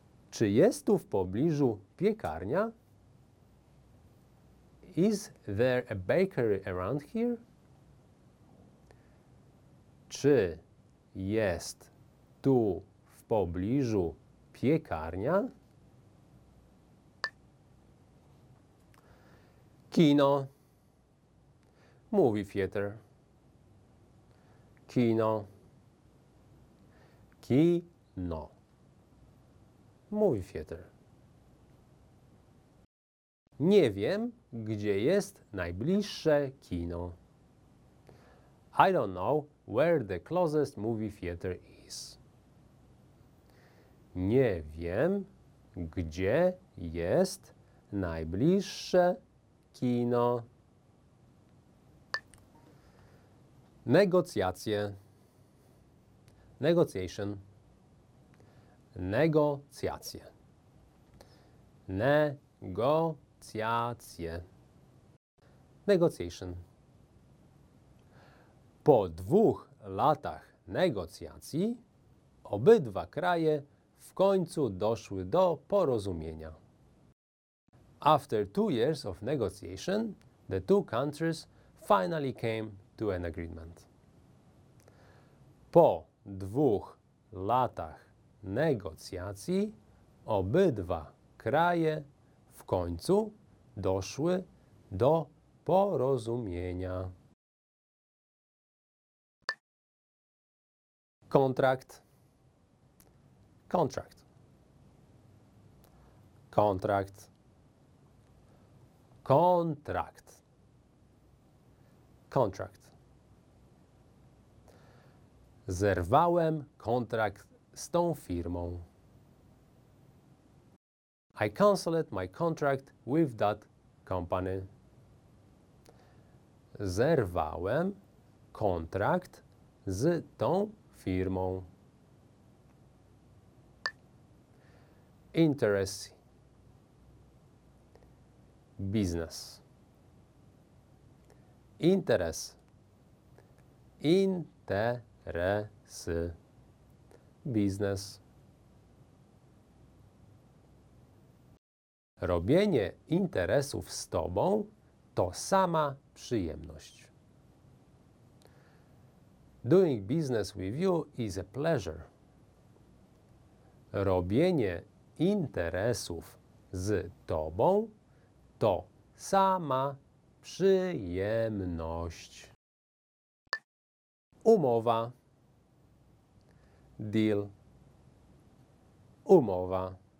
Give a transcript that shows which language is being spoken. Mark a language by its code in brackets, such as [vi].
[pl] Czy jest tu w pobliżu piekarnia? [en] Is there a bakery around here? [pl] Czy jest tu w pobliżu piekarnia? Kino. [en] Movie theater. [pl] Kino. Kino. [en] Movie theater. [pl] Nie wiem, gdzie jest najbliższe kino. [en] I don't know where the closest movie theater is. [pl] Nie wiem, gdzie jest najbliższe kino. Negocjacje. [en] Negotiation. [pl] Negocjacje. Negocjacje. [en] Negotiation. [pl] Po dwóch latach negocjacji obydwa kraje w końcu doszły do porozumienia. [en] After 2 years of negotiation, the two countries finally came to an agreement. [pl] Po dwóch latach negocjacji obydwa kraje w końcu doszły do porozumienia. Kontrakt. [en] Contract. [pl] Kontrakt. Kontrakt. Kontrakt. Zerwałem kontrakt z tą firmą. [en] I canceled my contract with that company. [pl] Zerwałem kontrakt z tą firmą. Interesy. [en] business. [pl] Interes. Interes. [en] Business. [pl] Robienie interesów z tobą to sama przyjemność. [en] Doing business with you is a pleasure. [pl] Robienie interesów z tobą to sama przyjemność. Umowa. [en] Deal. [pl] Umowa.